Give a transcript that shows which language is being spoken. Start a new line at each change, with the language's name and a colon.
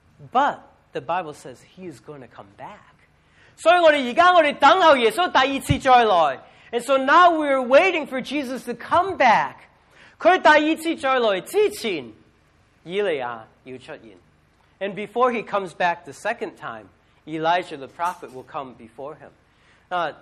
English: But the Bible says he is going to come back.
Chinese: 所以我们现在等候耶稣第二次再来。
English: And so now we are waiting for Jesus to come back.
Chinese: 他第二次再来之前，以利亚要出现。
English: And before he comes back the second time, Elijah the prophet will come before him.